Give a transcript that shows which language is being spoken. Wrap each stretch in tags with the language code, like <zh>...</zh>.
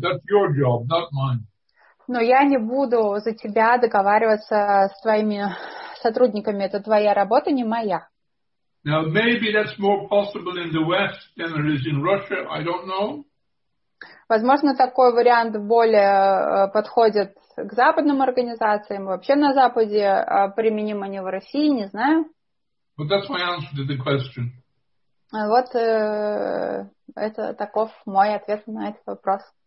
<ru>Но я не буду за тебя договариваться с твоими сотрудниками. Это твоя работа, не моя.</ru> <en>Now maybe that's more possible in the West than it is in Russia. I don't know.</en> <ru>Возможно, такой вариант более подходит к западным организациям. Вообще на Западе применимо не в России, не знаю.</ru> <en>But that's my answer to the question.</en> <ru>Вот это таков мой ответ на этот вопрос.</ru>